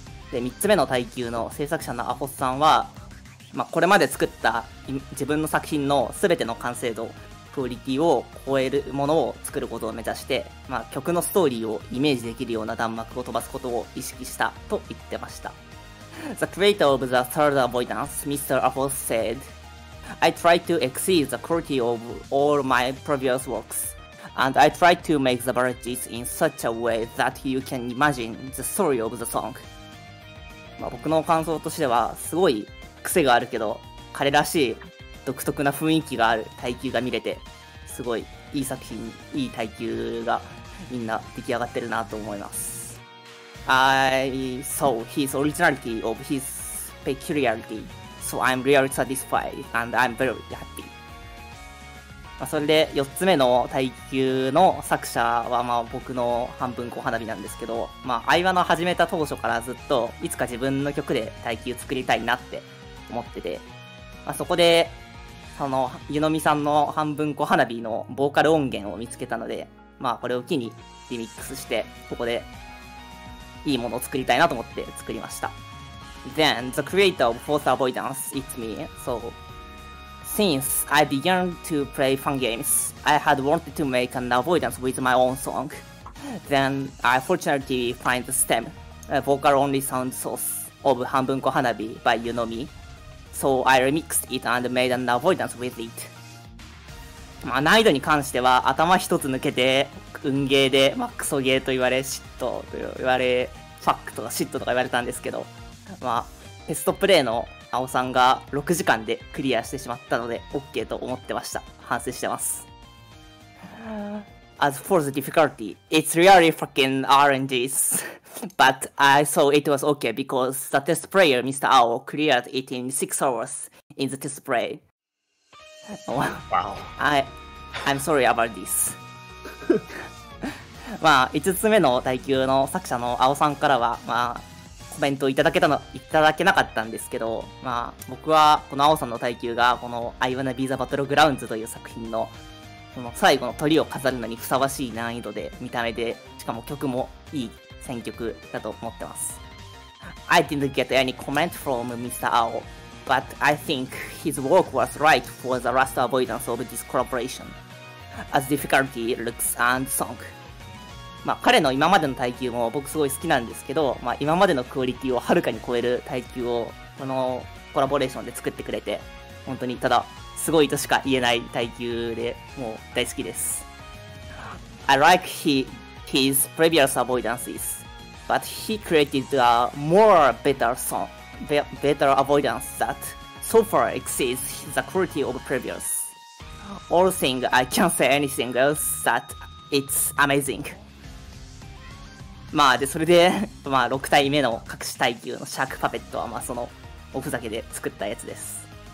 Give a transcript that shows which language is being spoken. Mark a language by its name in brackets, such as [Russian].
[Japanese] で、3つ目の耐久の制作者のアホスさんは、これまで作った自分の作品の全ての完成度クオリティを超えるものを作ることを目指して、曲のストーリーをイメージできるような弾幕を飛ばすことを意識したと言ってました。 [English] The creator of the third avoidance, Mr. Apples said, I tried to exceed the quality of all my previous works, and I tried to make the barrages in such a way that you can imagine the story of the song. [Japanese] 僕の感想としては、すごい癖があるけど、彼らしい独特な雰囲気がある耐久が見れてすごいいい作品、いい耐久がみんな出来上がってるなと思います。 [English] I saw his originality of his peculiarity, so I'm really satisfied and I'm very happy. [Japanese] それで4つ目の耐久の作者は僕の半分小花火なんですけど、アイワナ始めた当初からずっといつか自分の曲で耐久作りたいなって思ってて、そこでその湯飲みさんの半分こ花火のボーカル音源を見つけたので、これを機にリミックスしてここでいいものを作りたいなと思って作りました。 [English] Then the creator of Fourth Avoidance, it's me. So since I began to play fun games, I had wanted to make an avoidance with my own song. Then I fortunately find the stem, a vocal only sound source of 半分こ花火 by 湯飲み So I remixed it and made an avoidance with it. [Japanese] まあ難易度に関しては頭一つ抜けて運ゲーで、まあ、クソゲーと言われ、シットと言われ、ファックとかシットとか言われたんですけど、まあテストプレイの青さんが6時間でクリアしてしまったので OK と思ってました。反省してます。 [English] As for the difficulty, it's really fucking RNGs. But I saw it was okay because the test player, Mr. Ao, cleared it in 6 hours in the test play. Wow. I'm sorry about this. [Japanese] まあ、5つ目の耐久の作者の Ao さんからは、まあ、コメントをいただけなかったんですけど、まあ、僕はこの Ao さんの耐久がこの I Wanna Be the Battlegrounds という作品のこの最後の鳥を飾るのにふさわしい難易度で、見た目で、しかも曲もいい選曲だと思ってます。 [English] I didn't get any comment from Mr. Ao, but I think his work was right for the last avoidance of this collaboration, as difficulty, looks, and song. [Japanese] まあ彼の今までの耐久も僕すごい好きなんですけど、まあ今までのクオリティをはるかに超える耐久をこのコラボレーションで作ってくれて、本当にただ、すごいとしか言えない耐久で、もう大好きです。 [English] I like his previous avoidances, but he created a more better song, better avoidance that so far exceeds the quality of previous. All thing, I can't say anything else that it's amazing. [Japanese] まあ、で、それで、まあ、6体目の隠し耐久のシャークパペットは、まあ、その、おふざけで作ったやつです。